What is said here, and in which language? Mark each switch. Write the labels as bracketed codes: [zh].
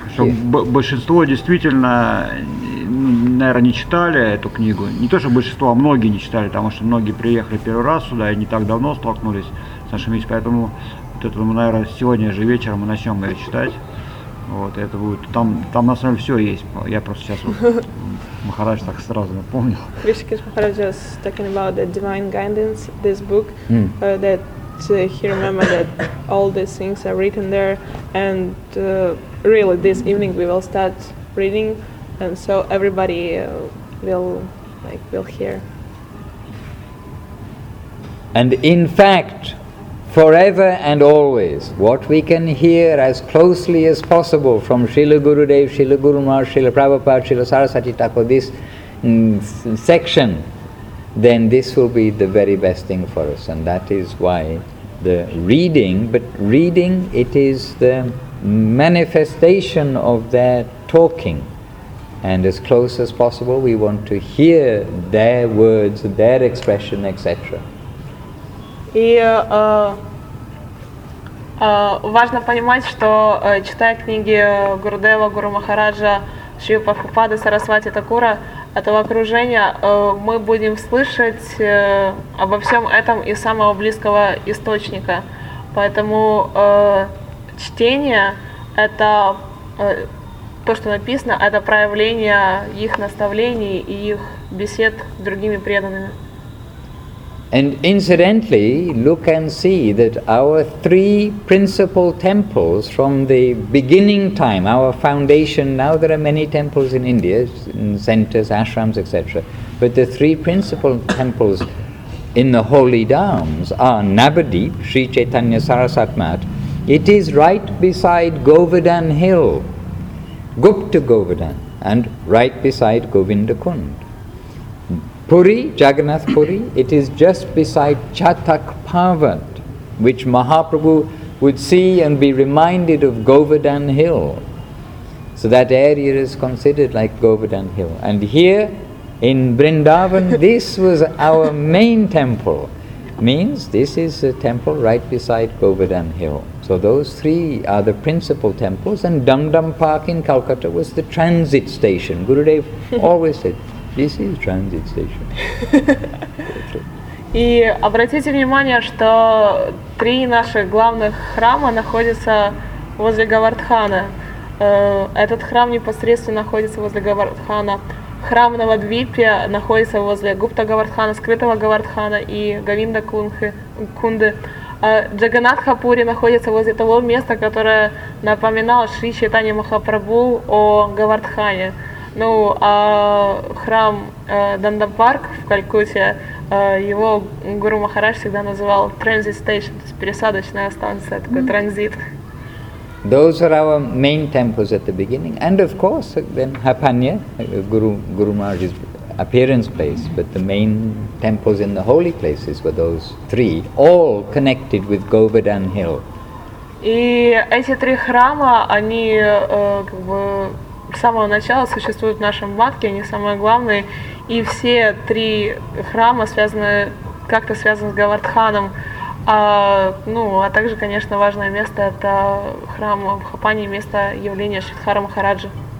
[ru] Большинство действительно, наверное, не читали эту книгу. Не то, что большинство, а многие не читали, потому что многие приехали первый раз сюда и не так давно столкнулись с нашим миссией, поэтому... Это, наверное, сегодня же вечером мы начнем ее читать. Вот, это будет. Там на самом деле все есть. Я просто сейчас вот Махарадж так сразу напомнил. [en] Ришикеш Махарадж was talking about the divine guidance, this book, that he remembered that all these things are written there. And really this evening we will start reading, and so everybody will hear. And in fact, forever and always, what we can hear as closely as possible from Srila Gurudev, Srila Guru Maharaj, Srila Prabhupada, Srila Saraswati Thakur, this section, then this will be the very best thing for us. And that is why the reading, but reading, it is the manifestation of their talking. And as close as possible, we want to hear their words, their expression, etc. [ru] И важно понимать, что читая книги Гурудева, Гуру Махараджа, Шри Прабхупады, Сарасвати Такура, этого окружения, мы будем слышать обо всем этом из самого близкого источника. Поэтому чтение — это то, что написано, это проявление их наставлений и их бесед с другими преданными. [en] And incidentally, look and see that our three principal temples from the beginning time, our foundation, now there are many temples in India, in centers, ashrams, etc. But the three principal temples in the holy downs are Nabadeep, Sri Chaitanya Sarasat Math. It is right beside Govardhan Hill, Gupta Govardhan, and right beside Govindakund. Puri, Jagannath Puri, it is just beside Chatak Pavat, which Mahaprabhu would see and be reminded of Govardhan Hill. So that area is considered like Govardhan Hill. And here in Vrindavan, this was our main temple. Means this is a temple right beside Govardhan Hill. So those three are the principal temples, and Dum Dum Park in Calcutta was the transit station. Gurudev always said, this is transit station. [ru] И обратите внимание, что три наших главных храма находятся возле Говардхана. Этот храм непосредственно находится возле Говардхана. Храм Навадвипе находится возле Гупта Говардхана, скрытого Говардхана и Говинда Кунды. Джаганнатха Пури находится возле того места, которое напоминало Шри Чайтанья Махапрабху о Говардхане. Ну, а храм Дандапарк в Калькутте, его Гуру Махарадж всегда называл [en] transit station, [ru] то есть пересадочная станция, такой транзит. [en] Those are our main temples at the beginning. And of course, then Hapanya, Guru Maharaj's appearance place, but the main temples in the holy places were those three, all connected with Govardhan Hill. [ru] И эти три храма, они как бы с самого начала существуют в нашем матке, они самые главные, и все три храма связаны, как-то связаны с Говардханом. Ну, а также, конечно, важное место — это храм в Хапане, место явления Шридхара Махараджи.